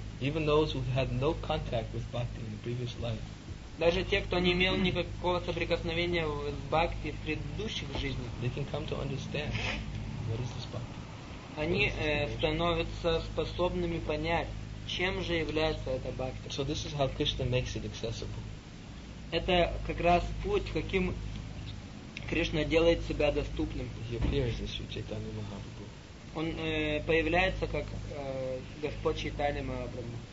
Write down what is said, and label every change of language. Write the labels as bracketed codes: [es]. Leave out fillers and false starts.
[en] Even those who had no contact with bhakti in the previous life. [ru] Даже те, кто не имел никакого соприкосновения с бхакти в предыдущих жизнях. [en] They can come to understand what is this bhakti. [ru] Они становятся способными понять, чем же является эта бхакти. [en] So this is how Krishna makes it accessible. [ru] Это как раз путь, каким Кришна делает себя доступным. [en] He appears as Śrī Chaitanya Mahāprabhu. [ru] Он появляется как Господь Чайтанья Махапрабху.